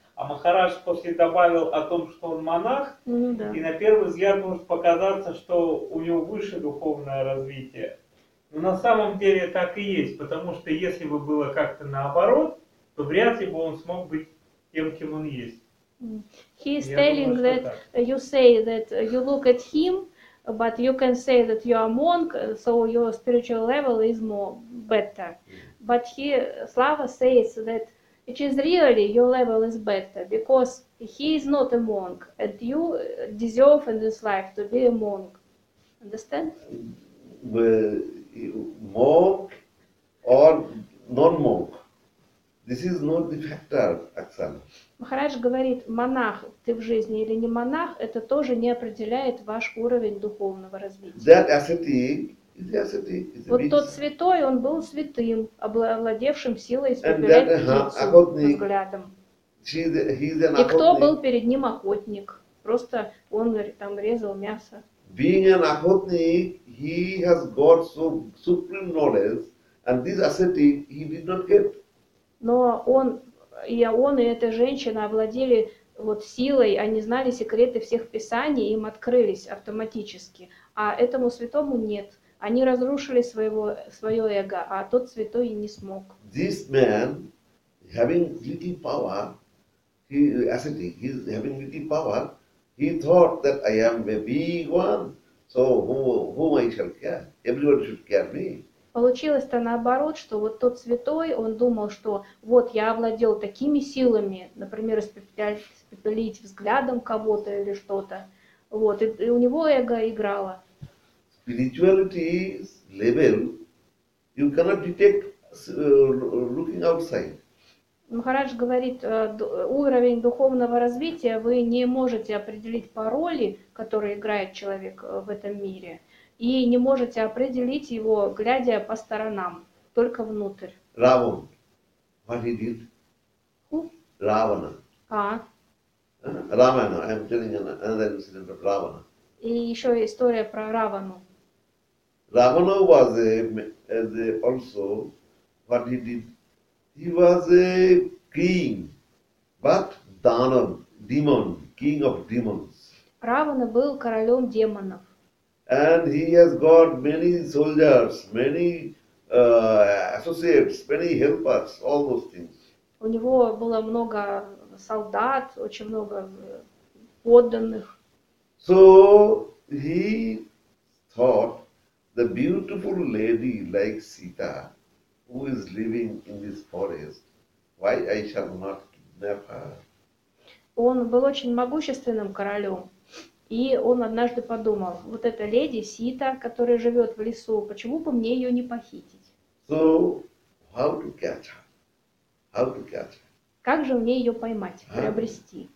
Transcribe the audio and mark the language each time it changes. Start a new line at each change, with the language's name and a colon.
Russian: А Махарадж после добавил о том, что он монах, и на первый взгляд может показаться, что у него выше духовное развитие. Но на самом деле так и есть, потому что если бы было как-то наоборот, то вряд ли бы он смог быть тем, кем он есть.
English: He is telling that you say that you look at him, but you can say that you are monk, so your spiritual level is more better. Mm-hmm. But he, Slava says that it is really your level is better because he is not a monk and you deserve in this life to be a monk. Understand? Well, monk or non-monk. This is not the factor, Оксана.
Russian: Махарадж говорит, монах ты в жизни или не монах, это тоже не определяет ваш уровень духовного развития.
English: That ascetic, is ascetic, is
Russian: вот тот святой, он был святым, обладевшим силой исповедать взглядом. И кто был перед ним охотник? Просто он там резал мясо.
English: Being an охотник, he has got so supreme knowledge, and this ascetic, he did not get.
Russian: Но он и эта женщина овладели вот силой, они знали секреты всех писаний, им открылись автоматически. А этому святому нет. Они разрушили свое эго, а тот святой и не смог.
English: This man, having little power, he's having little power, he thought that I am a big one, so whom I shall care? Everyone should care me.
Russian: Получилось-то наоборот, что вот тот святой, он думал, что вот я овладел такими силами, например, испепелить взглядом кого-то или что-то, вот, и у него эго играло.
English: Spirituality is level, you cannot detect looking outside.
Russian: Махарадж говорит, уровень духовного развития вы не можете определить по роли, которую играет человек в этом мире. и не можете определить его, глядя по сторонам, только внутрь.
English: Равун. What he did? Who?
Russian: Равана. А. Равана.
English: I am telling you another incident of Равана.
Russian: И еще история про Равану.
English: Равана was also what he did. He was a king, but Данав, demon, king of demons.
Russian: Равана был королем демонов.
English: And he has got many soldiers, many associates, many helpers, all those things.
Russian: У него было много солдат, очень много подданных.
English: So he thought the beautiful lady like Sita, who is living in this forest, why I shall not kidnap her?
Russian: Он был очень могущественным королем. И он однажды подумал, вот эта леди Сита, которая живет в лесу, почему бы мне ее не похитить?
English: So, how to catch her? How to catch her?
Russian: Как же мне ее поймать, приобрести?